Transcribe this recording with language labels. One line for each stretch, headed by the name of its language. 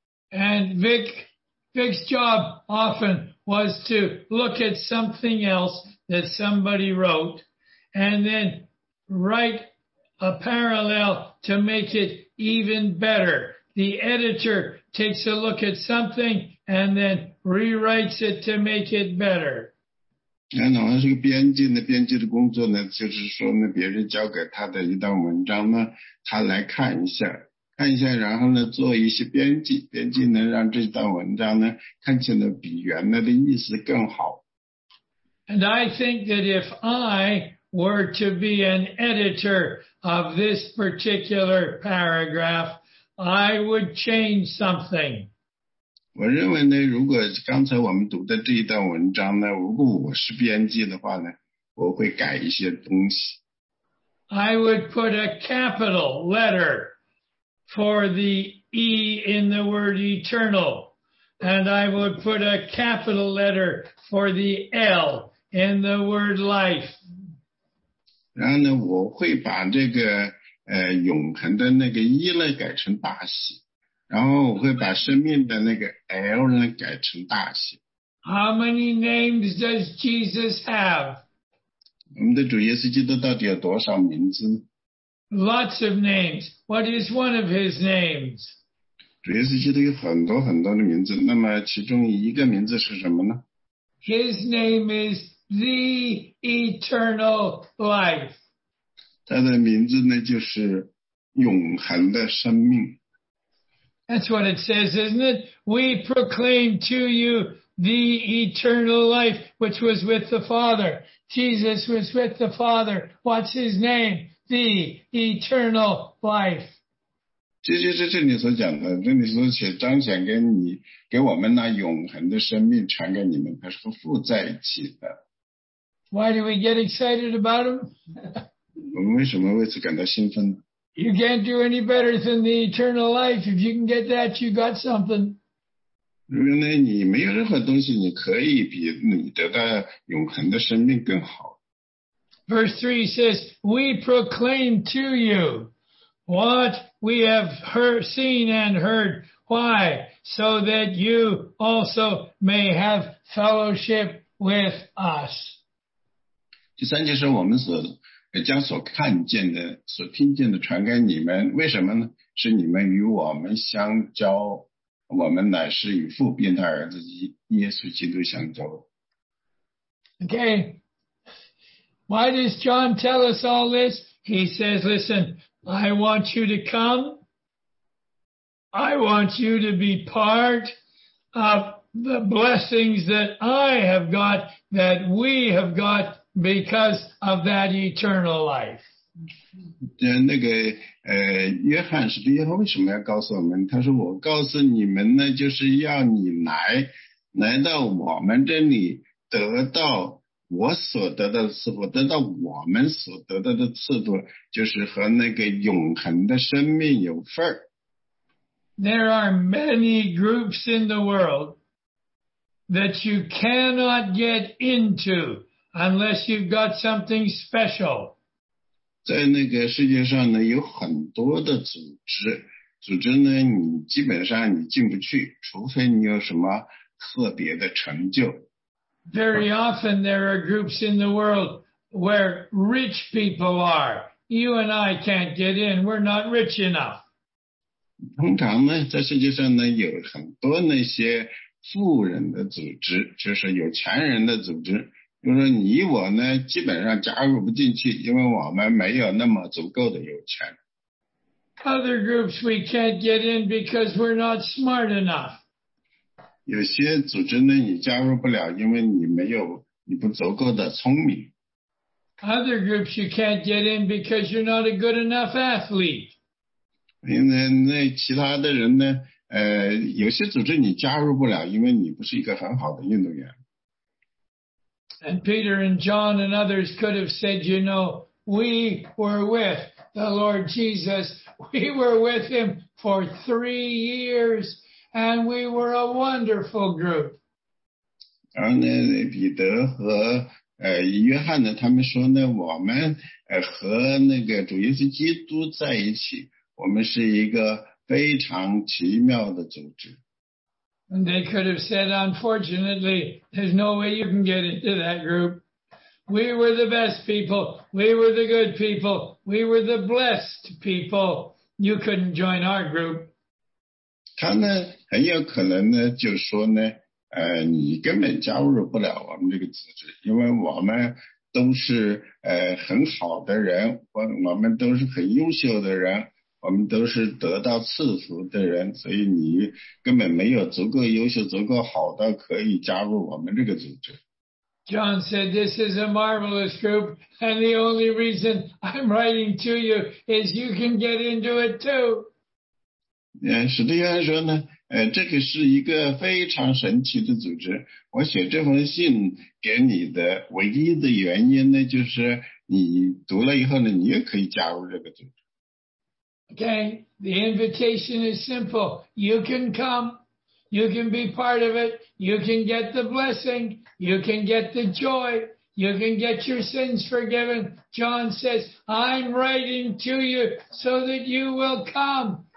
English: And Vic's job often was to look at something else that somebody wrote, and then write a parallel to make it even better. The editor takes a look at something and then rewrites it to make it better.
Chinese: 老王是个编辑，那编辑的工作呢，就是说呢，别人交给他的一段文章呢，他来看一下，然后呢，做一些编辑，编辑能让这段文章呢，看起来比原来的意思更好。
English: And I think that if I were to be an editor of this particular paragraph, I would change something.
Chinese: 我认为呢，如果刚才我们读的这一段文章呢，如果我是编辑的话呢，我会改一些东西。
English: I would put a capital letter for the E in the word eternal, And I would put a capital letter for the L in the word life.
Chinese: 然后呢，我会把这个永恒的那个一呢改成大写，然后我会把生命的那个 L 呢改成大写。
English: How many names does Jesus have?
Chinese: 我们的主耶稣基督到底有多少名字？
English: Lots of names. What is one of his names?
Chinese: 主耶稣基督有很多很多的名字，那么其中一个名字是什么呢？
English: His name is the eternal life.
Chinese: 他的名字呢就是永恒的生命。
English: That's what it says, isn't it? We proclaim to youThe eternal life, which was with the Father. Jesus was with the Father. What's his name? The eternal life.
Chinese: 这就是这里所讲的，这里所写彰显给你，给我们那永恒的生命传给你们，它是和父在一起的。
English: Why do we get excited about him?
Chinese: 我们为什么为此感到兴奋？
English: You can't do any better than the eternal life. If you can get that, you got something.
Chinese: 如果呢，你没有任何东西，你可以比你得到永恒的生命更好。
English: Verse 3 says, We proclaim to you what we have heard, seen and heard. Why? So that you also may have fellowship with us.
Chinese: 第三节是我们所将所看见的、所听见的传给你们。为什么呢？是你们与我们相交。我们乃是与父并他儿子耶稣基督相交。
English: Okay. Why does John tell us all this? He says, listen, I want you to come. I want you to be part of the blessings that I have got, that we have got because of that eternal life.
Chinese: 那个约翰使徒约翰为什么要告诉我们？他说：“我告诉你们呢，就是要你来到我们这里，得到我所得到的赐福，得到我们所得到的赐福，就是和那个永恒的生命有份儿。”
English: There are many groups in the world that you cannot get into unless you've got something special.
Chinese: 在那个世界上呢，有很多的组织呢，你基本上你进不去，除非你有什么特别的成就。
English: Very often there are groups in the world where rich people are. You and I can't get in. We're not rich enough.
Chinese: 通常呢，在世界上呢，有很多那些富人的组织，就是有钱人的组织。就是你我呢，基本上加入不进去，因为我们没有那么足够的有钱。
English: Other groups we can't get in because we're not smart enough.
Chinese: 有些组织呢，你加入不了，因为你不足够的聪明。
English: Other groups you can't get in because you're not a good enough athlete.
Chinese: 因为那其他的人呢，有些组织你加入不了，因为你不是一个很好的运动员。
English: And Peter and John and others could have said, you know, we were with the Lord Jesus. We were with him for 3 years, and we were a wonderful group.
Chinese: 然后呢，彼得和约翰呢，他们说呢，我们和那个主耶稣基督在一起，我们是一个非常奇妙的组织。
English: And they could have said, unfortunately, there's no way you can get into that group. We were the best people. We were the good people. We were the blessed people. You couldn't join our group.
Chinese: 他呢，很有可能呢，就说呢，你根本加入不了我们这个组织，因为我们都是很好的人，我们都是很优秀的人。我们都是得到赐福的人，所以你根本没有足够优秀、足够好的可以加入我们这个组织。
English: John said, "This is a marvelous group, and the only reason I'm writing to you is you can get into it too."
Chinese: 史蒂约翰说呢，这个是一个非常神奇的组织。我写这封信给你的唯一的原因呢，就是你读了以后呢，你也可以加入这个组织。
English: Okay, the invitation is simple. You can come. You can be part of it. You can get the blessing. You can get the joy. You can get your sins forgiven. John says, I'm writing to you so that you will come.